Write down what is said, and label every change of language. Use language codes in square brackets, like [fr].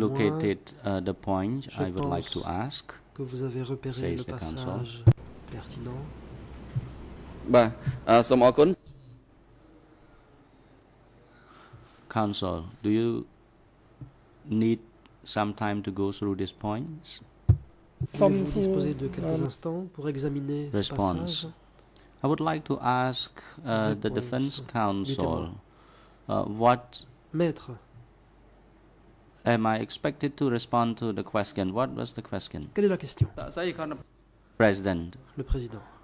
[en] located the point I would like to ask, [fr] que vous avez repéré [en] says [fr] le [en] the [fr] passage pertinent. [en] Counsel, do you need some time to go through these points? [fr] Pouvez-vous disposer de quelques instants pour examiner ce passage? [en] I would like to ask the defense counsel, what [fr] Maître. [en] Am I expected to respond to the question? What was the question? [fr] Quelle est la question? [en] President. [fr] Le président.